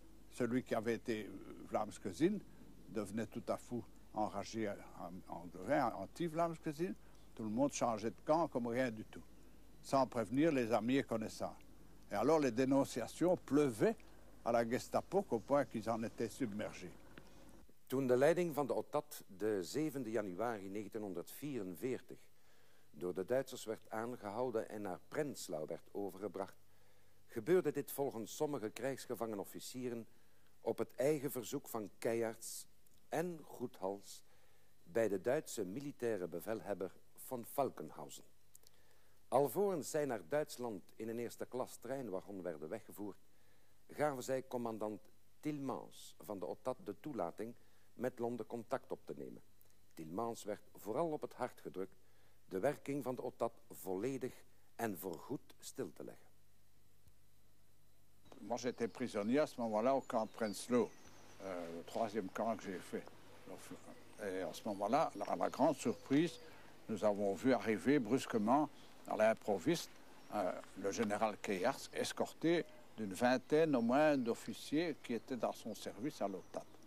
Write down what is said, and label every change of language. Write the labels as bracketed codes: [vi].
[fr] Celui qui avait été Vlaamsekzin devenait tout à fait enragé en anti-Vlaamsekzin. Tout le monde changeait de camp comme rien du tout, sans prévenir les amis et connaissants. Et alors les dénonciations pleuvaient à la Gestapo au point qu'ils en étaient submergés. [nl] Toen de leiding van de Ottat de 7 januari 1944 door de Duitsers werd aangehouden en naar Prenzlau werd overgebracht, gebeurde dit volgens sommige krijgsgevangen officieren op het eigen verzoek van Keijerts en Goedhals bij de Duitse militaire bevelhebber von Falkenhausen. Alvorens zij naar Duitsland in een eerste klas treinwagon werden weggevoerd, gaven zij commandant Tilmans van de Ottat de toelating met Londen contact op te nemen. Tilmans werd vooral op het hart gedrukt de werking van de Ottat volledig en voorgoed stil te leggen. [fr] Moi, j'étais prisonnier à ce moment-là au camp de Prenzlau, le troisième camp que j'ai fait. Et à ce moment-là, à la grande surprise, nous avons vu arriver brusquement, à l'improviste, le général Keijerts, escorté d'une vingtaine au moins d'officiers qui étaient dans son service à l'Ottat.